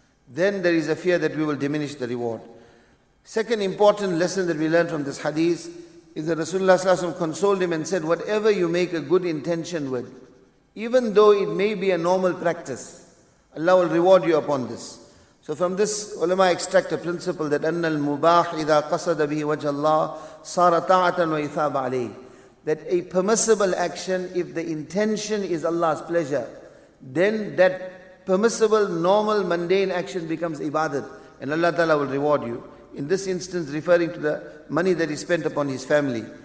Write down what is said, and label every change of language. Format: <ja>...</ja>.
<en>Then there is a fear that we will diminish the reward. Second important lesson that we learn from this hadith is that Rasulullah ﷺ consoled him and said, whatever you make a good intention with, even though it may be a normal practice, Allah will reward you upon this. So from this, ulama extract a principle that</en> <ar>أَنَّ الْمُبَاحِ إِذَا قَصَدَ بِهِ وَجَّ اللَّهِ صَارَ طَاعَةً وَإِثَابَ عَلَيْهِ.</ar> <en>That a permissible action, if the intention is Allah's pleasure, then that permissible, normal, mundane action becomes ibadat, and Allah Ta'ala will reward you. In this instance, referring to the money that he spent upon his family.</en>